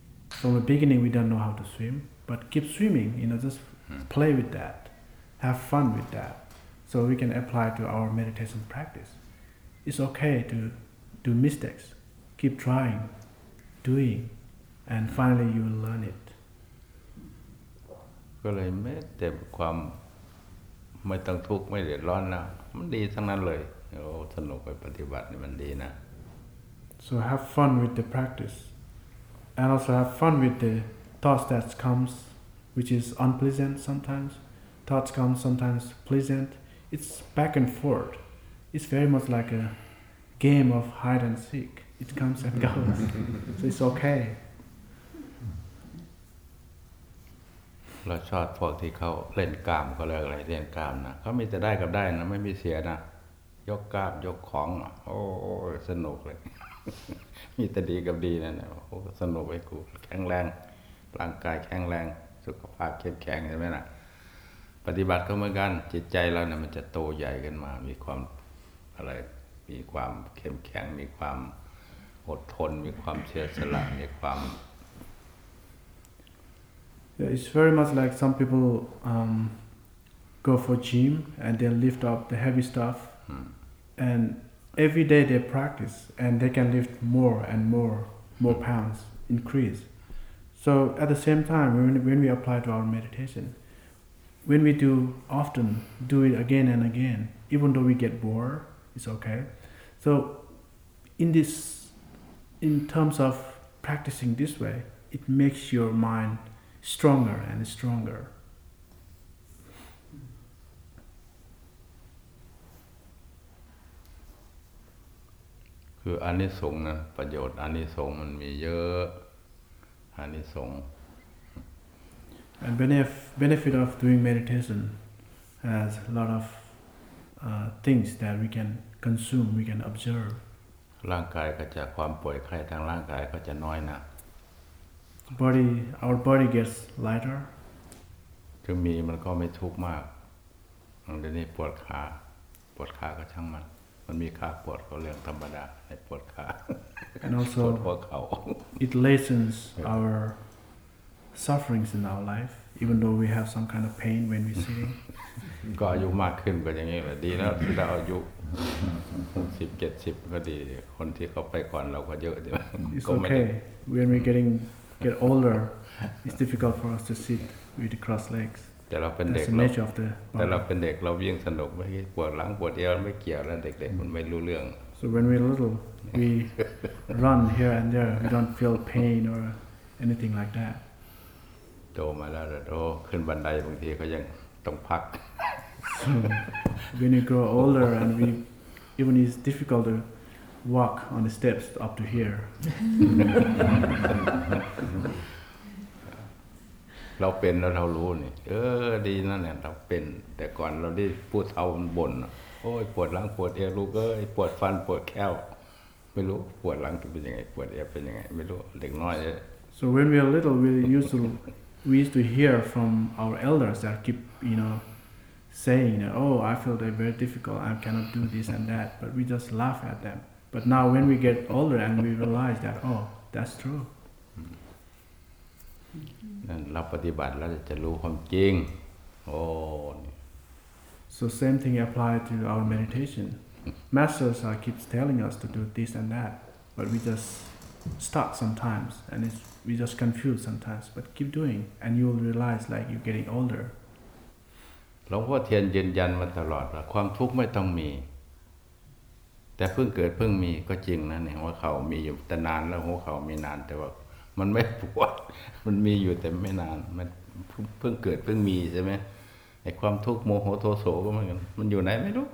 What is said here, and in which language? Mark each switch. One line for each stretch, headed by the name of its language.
English: from the beginning we don't know how to swim, but keep swimming, you know, just play with that, have fun with that, so we can apply to our meditation practice. It's okay to do mistakes, keep trying, doing, and finally you will learn it.
Thai: ก็เลยแม้แต่ความไม่ต้องทุกข์ไม่เดือดร้อนนะมันดีทั้งนั้นเลยโอ้สนุกไปปฏิบัตินี่มันดีนะ
English: So have fun with the practice, and also have fun with the thoughts that comes, which is unpleasant sometimes. Thoughts come sometimes pleasant. It's back and forth. It's very much like a game of hide and seek. It comes and goes, so it's okay.
Thai: เราชอบพวกที่เขาเล่นกามเขาเรียกอะไรเล่นกามนะเขามีแต่ได้กับได้นะไม่มีเสียนะยกกามยกของโอ้สนุกเลยมีแต่ดีกับดีนะโอ้สนุกไปกูแข็งแรงร่างกายแข็งแรงสุขภาพเข้มแข็งใช่ไหมนะปฏิบัติก็เหมือนกันจิตใจเราเนี่ยมันจะโตใหญ่ขึ้นมามีความอะไรมีความเข้มแข็งมีความอดทนมีความเชื่อสละมีความ
English: It's very much like some people go for gym and they lift up the heavy stuff and every day they practice and they can lift more and more pounds increase. So at the same time when we apply to our meditation, when we do often do it again and again, even though we get bored, it's okay. So in terms of practicing this way, it makes your mindstronger and stronger.
Thai: คืออานิสงส์นะประโยชน์อานิสงส์มันมีเยอะอานิสงส์
English: and benefit of doing meditation has a lot of things that we can consume, we can observe.
Thai: ร่างกายก็จะความป่วยไข้ทางร่างกายก็จะน้อยนะ
English: Our body gets lighter.
Thai: ถ้ามีมันก็ไม่ทุกข์มากเดี๋ยวนี้ปวดขาปวดขาก็ช่างมันมันมีขาปวดก็เรื่องธรรมดาในปวดขา
English: And also,
Thai: ปวดเข่า
English: it lessens our sufferings in our life, even though we have some kind of pain when we sit.
Thai: ก็อายุมากขึ้นก็อย่างนี้แหละดีแล้วที่เราอายุสิบเจ็ดสิบก็ดีคนที่เขาไปก่อนเราก็เยอะดีมั้ย
English: It's okay when we get older, it's difficult for us to sit with the cross legs.
Thai: แต่เราเป็นเด็ ก แต่ เราเป็นเด็กเราวิ่งสนุกไม่ปวดหลังปวดเอวไม่เกี่ยวแล้วเด็กๆมันไม่รู้เรื่อง
English: So when we're little, we run here and there. We don't feel pain or anything like that.
Thai: โตมาแล้วโตขึ้นบันไดบางทีก็ยังต้องพัก
English: So when you grow older and we even it's difficult to walk on the steps up to here.
Thai: เราเป็นแล้วเรารู้นี่เออดีนั่นแหละเราเป็นแต่ก่อนเราได้พูดเอาบ่นโอ้ยปวดหลังปวดเอวลูกเอ้ยปวดฟันปวดแขนไม่รู้ปวดหลังเป็นยังไงปวดเอวเป็นยังไงไม่รู้เด็กน้อย
English: So when we are little we used to hear from our elders that keep you know saying that, oh I feel they're very difficult I cannot do this and that but we just laugh at them but now when we get older and we realize that oh that's truen
Thai: นเราปฏิบัติแล้วจะรู้ความจริงโอ้
English: So same thing apply to our meditation. Masters are keeps telling us to do this and that, but we just stuck sometimes, and we just confused sometimes. But keep doing, and you will realize like you're getting older.
Thai: หลวงพ่อเทียนยืนยันมาตลอดว่าความทุกข์ไม่ต้องมีแต่เพิ่งเกิดเพิ่งมีก็จริงนะเนี่ยหัวเข่ามีอยู่แต่นานแล้วหัวเข่ามีนานแต่ว่ามันไม่ปวดมันมีอยู่แต่ไม่นานมันเพิ่งเกิดเพิ่งมีใช่ไหมไอ้ความทุกข์โมโหโทโสก็เหมือนกันมันอยู่ไหนไม่รู